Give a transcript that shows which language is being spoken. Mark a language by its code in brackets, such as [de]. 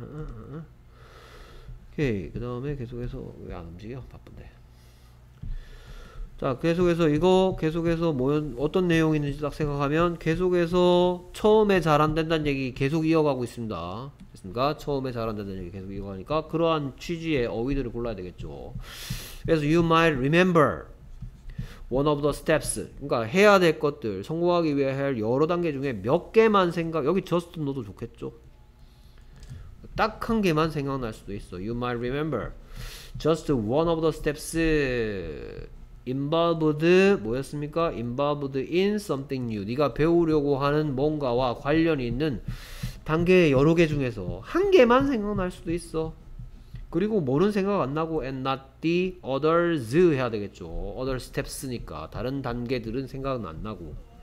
[ko] 오케이. 그 다음에 계속해서 왜 안 움직여? 바쁜데. 자, 계속해서 이거 계속해서 뭐 어떤 내용이 있는지 딱 생각하면, 계속해서 처음에 잘 안 된다는 얘기 계속 이어가고 있습니다. 됐습니까? 처음에 잘 안 된다는 얘기 계속 이어가니까 그러한 취지의 어휘들을 골라야 되겠죠. 그래서 [en] you might remember one of the steps. [ko] 그러니까 해야 될 것들, 성공하기 위해 할 여러 단계 중에 몇 개만 생각, 여기 just 넣어도 좋겠죠. 딱 한 개만 생각날 수도 있어. [en] you might remember just one of the steps involved, [ko] 뭐였습니까? [en] involved in something new. [ko] 네가 배우려고 하는 뭔가와 관련이 있는 단계의 여러 개 중에서 한 개만 생각날 수도 있어. 그리고 뭐는 생각 안 나고 [en] and not the others [ko] 해야 되겠죠. [en] other steps [ko] 니까 다른 단계들은 생각은 안 나고.